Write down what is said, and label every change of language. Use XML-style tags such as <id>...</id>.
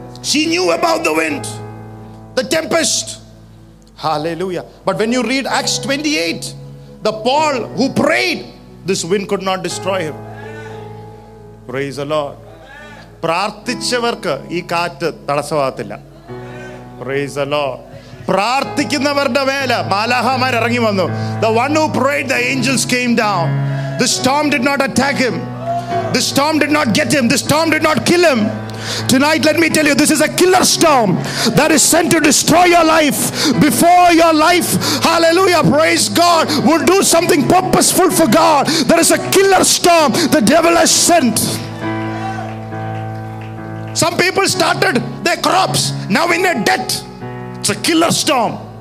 <en>She knew about the wind, the tempest. Hallelujah. But when you read Acts 28, the Paul who prayed, this wind could not destroy him. Praise the Lord.</en> <ml>പ്രാർത്ഥിച്ചവർക്ക് ഈ കാറ്റ് തടസ്സമാകത്തില്ല.</ml> <en>Praise the Lord.</en> <ml>പ്രാർത്ഥിക്കുന്നവരുടെ മേല് മാലാഹമാർ ഇറങ്ങി വന്നു.</ml> <en>The one who prayed the angels came down. The storm did not attack him. The storm did not get him. The storm did not kill him. Tonight, let me tell you, this is a killer storm that is sent to destroy your life before your life, hallelujah, praise God, will do something purposeful for God. There is a killer storm the devil has sent. Some people started their crops, now in a debt. It's a killer storm.</en>